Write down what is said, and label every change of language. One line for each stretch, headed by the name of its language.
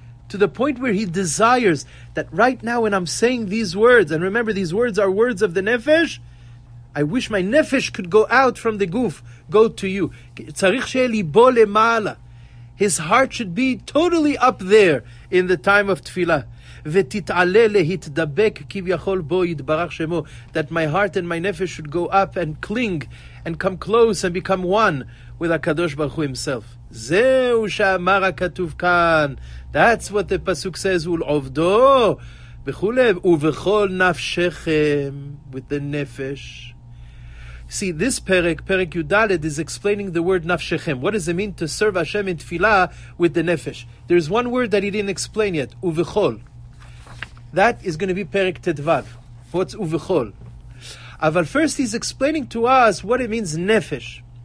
English: To the point where he desires that right now when I'm saying these words, and remember these words are words of the nefesh, I wish my nefesh could go out from the goof, go to you.
Hebrew: צריך שיהיה ליבו למעלה.
English: His heart should be totally up there in the time of tefillah.
Hebrew: ותתעלה להתדבק כביכול בו יתברך שמו.
English: That my heart and my nefesh should go up and cling and come close and become one with HaKadosh Baruch Hu himself.
Hebrew: זהו שאמר הכתוב כאן.
English: That's what the pasuk says.
Hebrew: ולעובדו וכו' ובכל נפשכם,
English: with the nefesh. See, this perek, perek yudalet, is explaining the word nafshechem. What does it mean to serve Hashem in tefillah with the nefesh? There's one word that he didn't explain yet, uvechol. That is going to be perek tetvav. What's uvechol? Aval first he's explaining to us what it means nefesh.